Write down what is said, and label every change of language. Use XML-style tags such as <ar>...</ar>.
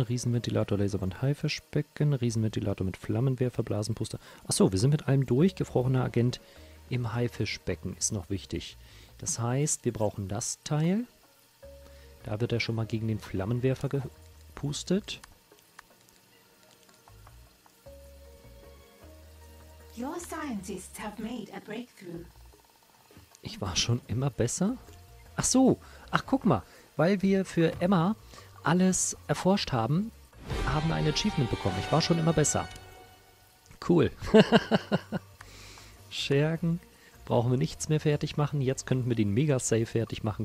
<de>Riesenventilator, Laserwand, Haifischbecken, Riesenventilator mit Flammenwerfer, Blasenpuster. Achso, wir sind mit allem durch. Gefrorener Agent im Haifischbecken ist noch wichtig. Das heißt, wir brauchen das Teil. Da wird er schon mal gegen den Flammenwerfer gepustet.</de> <en>Your scientists have made a breakthrough.</en> <de>Ich war schon immer besser? Ach so, ach guck mal, weil wir für Emma alles erforscht haben, haben wir ein Achievement bekommen. Ich war schon immer besser. Cool. Schergen brauchen wir nichts mehr fertig machen. Jetzt könnten wir den Mega-Safe fertig machen.</de>